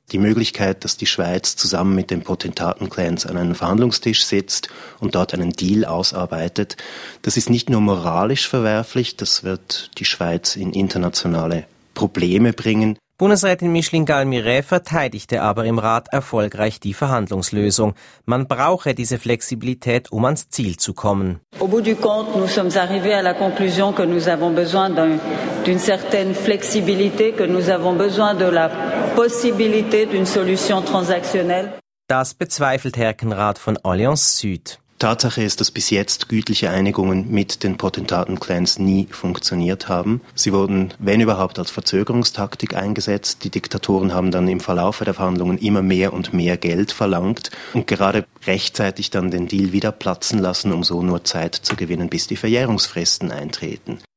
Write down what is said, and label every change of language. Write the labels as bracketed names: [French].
[German] Die Möglichkeit, dass die Schweiz zusammen mit den Potentatenclans an einen Verhandlungstisch sitzt und dort einen Deal ausarbeitet, das ist nicht nur moralisch verwerflich, das wird die Schweiz in internationale Probleme bringen. Bundesrätin Micheline Galmiret verteidigte aber im Rat erfolgreich die Verhandlungslösung. Man brauche diese Flexibilität, um ans Ziel zu kommen. [French] Au bout du compte, nous sommes arrivés à la conclusion que nous avons besoin d'une certaine flexibilité, que nous avons besoin de la possibilité d'une solution transactionnelle. [German] Das bezweifelt Herkenrath von Allianz Süd. Tatsache ist, dass bis jetzt gütliche Einigungen mit den Potentatenclans nie funktioniert haben. Sie wurden, wenn überhaupt, als Verzögerungstaktik eingesetzt. Die Diktatoren haben dann im Verlauf der Verhandlungen immer mehr und mehr Geld verlangt und gerade rechtzeitig dann den Deal wieder platzen lassen, um so nur Zeit zu gewinnen, bis die Verjährungsfristen eintreten.